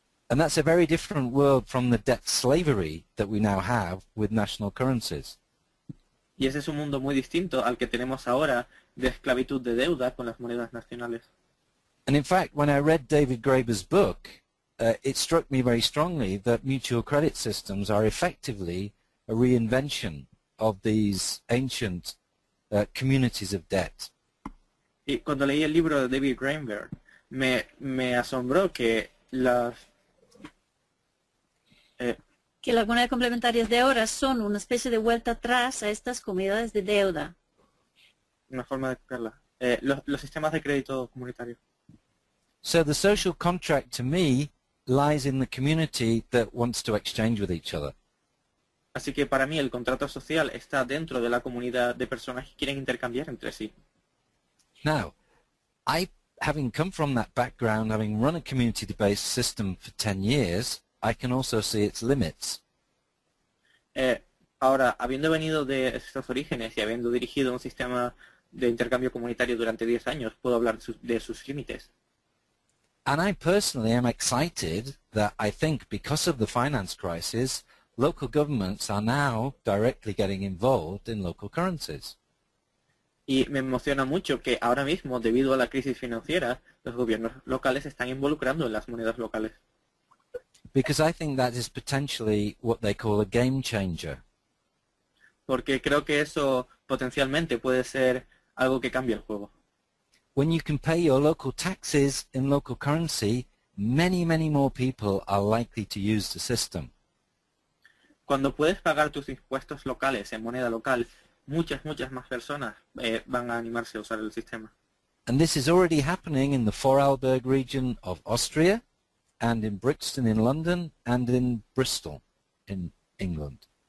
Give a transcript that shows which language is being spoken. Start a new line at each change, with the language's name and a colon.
English: And that's a very different world from the debt slavery that we now have with national currencies.
Spanish: Y ese es un mundo muy distinto al que tenemos ahora de esclavitud de deuda con las monedas nacionales.
English: And in fact, when I read David Graeber's book, it struck me very strongly that mutual credit systems are effectively a reinvention of these ancient communities of debt.
Spanish: Y cuando leí el libro de David Graeber, me asombró que las que las monedas complementarias de ahora son una especie de vuelta atrás a estas comunidades de deuda. Una forma de explicarla. Los sistemas de crédito comunitario.
English: So the social contract to me lies in the community that wants to exchange with each other.
Spanish: Así que para mí el contrato social está dentro de la comunidad de personas que quieren intercambiar entre sí.
English: Now, I, having come from that background, having run a community-based system for 10 years, I can also see its limits.
Spanish: Ahora, habiendo venido de esos orígenes y habiendo dirigido un sistema de intercambio comunitario durante 10 años, puedo hablar de sus límites.
English: And I personally am excited that I think because of the finance crisis, local governments are now directly getting involved in local currencies.
Spanish: Y me emociona mucho que ahora mismo, debido a la crisis financiera, los gobiernos locales están involucrando en las monedas locales.
English: Because I think that is potentially what they call a game changer.
Spanish: Porque creo que eso potencialmente puede ser algo que cambie el juego.
English: When you can pay your local taxes in local currency, many, many more people are likely to use the system.
Spanish: Cuando puedes pagar tus impuestos locales en moneda local, muchas, muchas más personas van a animarse a usar el sistema.
English: And this is already happening in the Vorarlberg region of Austria, and in Brixton in London, and in Bristol in England.